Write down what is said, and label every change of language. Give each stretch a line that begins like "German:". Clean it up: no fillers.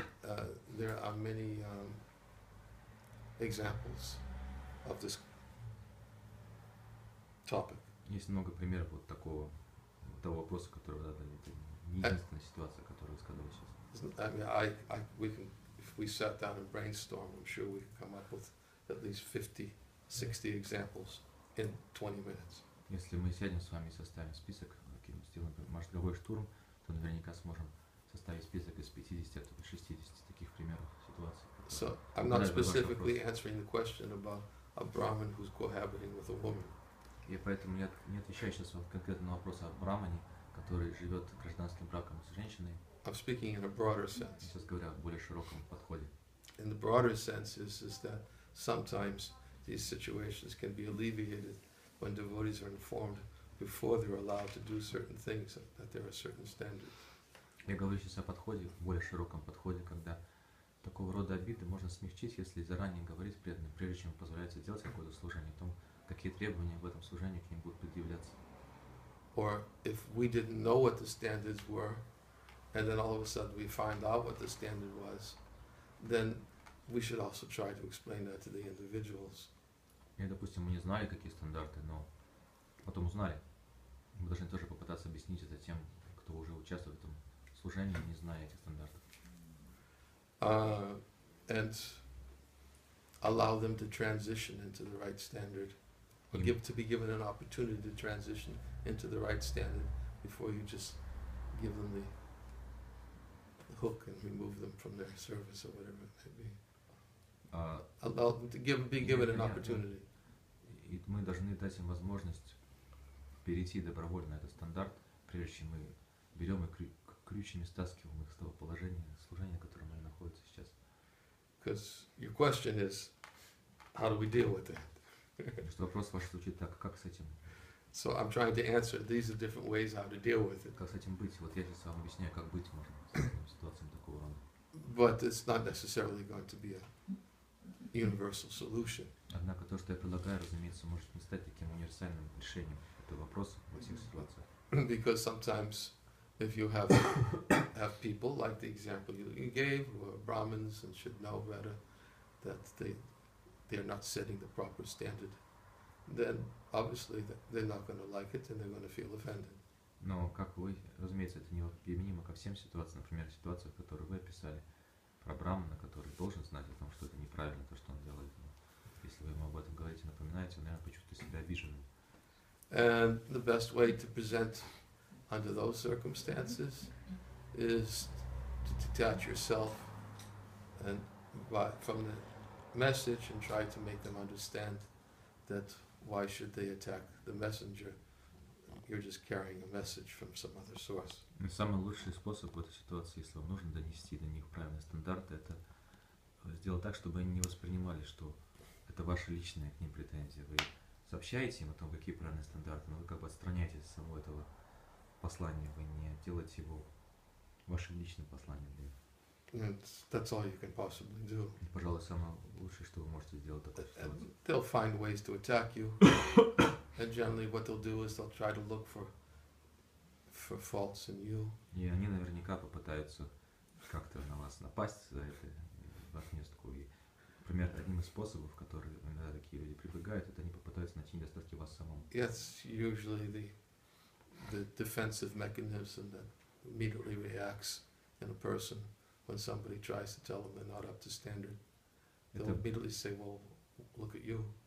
English: No, there are many examples of this topic.
Russian: Есть много примеров вот такого того вопроса, который вы задали. Это не единственная ситуация, которую вы сказали сейчас.
English: If we sat down and brainstorm, I'm sure we could come up with at least 50-60 examples in 20 minutes.
Russian: Если мы сядем с вами и составим список, каким-то сделаем мозговой штурм, то наверняка сможем составить список из 50 или 60 таких примеров ситуаций.
English: So I'm not specifically answering the question about a Brahmin who's cohabiting with a woman.
Russian: И поэтому я не отвечаю сейчас вот конкретно на вопрос о брамане, который живет гражданским браком с женщиной.
English: I'm speaking in a broader sense.
Russian: Сейчас говоря в более широком подходе.
English: In the broader sense is that sometimes these situations can be alleviated when devotees are informed before they're allowed to do certain things, that there are certain standards.
Russian: Я говорю сейчас о подходе, в более широком подходе, когда такого рода обиды можно смягчить, если заранее говорить преданным, прежде чем позволяется делать какое-то служение, о том, какие требования в этом служении к ним будут предъявляться.
English: Or if we didn't know what the standards were, and then all of a sudden we find out what the standard was, then we should also try to explain that to the individuals.
Russian: И, допустим, мы не знали, какие стандарты, но потом узнали. Мы должны тоже попытаться объяснить это тем, кто уже участвует в этом служении, не зная этих стандартов.
English: And allow them to transition into the right standard, or give to be given an opportunity to transition into the right standard before you just give them the hook and remove them from their service or whatever it may be. Allow them to be given an opportunity.
Russian: И мы должны дать им возможность перейти добровольно этот стандарт, прежде чем мы берем и крючим и стаскиваем их с того положения служения, в котором они находятся сейчас.
English: Because your question is, how do we deal with that?
Russian: Что вопрос ваш звучит так, как с этим?
English: So I'm trying to answer. These are different ways how to deal with it.
Russian: Как с этим быть? Вот я сейчас вам объясняю, как быть можно с ситуацией такого рода.
English: But it's not necessarily going to be a universal solution.
Russian: Однако то, что я предлагаю, разумеется, может не стать таким универсальным решением этого вопроса во всех ситуациях.
English: Because sometimes, if you have people like the example you gave, who are Brahmins and should know better, that they are not setting the proper standard, then obviously they're not going to like it and they're going to feel offended.
Russian: Но как вы, разумеется, это не применимо ко всем ситуациям. Например, ситуация, которую вы описали про брамана, который должен знать о том, что это неправильно, то, что он делает. Но если вы ему об этом говорите, напоминаете, он, наверное, почувствует себя обиженным.
English: And the best way to present under those circumstances is to detach yourself and from the message and try to make them understand that why should they attack the messenger? You're just carrying a message from some other source.
Russian: Самый лучший способ в этой ситуации, если вам нужно донести до них правильные стандарты, это сделать так, чтобы они не воспринимали, что это ваши личные к ним претензии. Вы сообщаете им о том, какие правильные стандарты, но вы как бы отстраняетесь от самого этого послания, вы не делаете его вашим личным посланием для них.
English: That's all you can possibly do.
Russian: И, пожалуй, самое лучшее, что вы можете сделать в такой ситуации.
English: They'll find ways to attack you. And generally what they'll do is they'll try to look for faults in you.
Russian: И они наверняка попытаются как-то на вас напасть за это, в отместку. И, например, одним из способов, которые иногда такие люди прибегают, это они попытаются найти недостатки вас самому.
English: It's usually the defensive mechanism that immediately reacts in a person. When somebody tries to tell them they're not up to standard, they'll immediately say, "Well, look at you."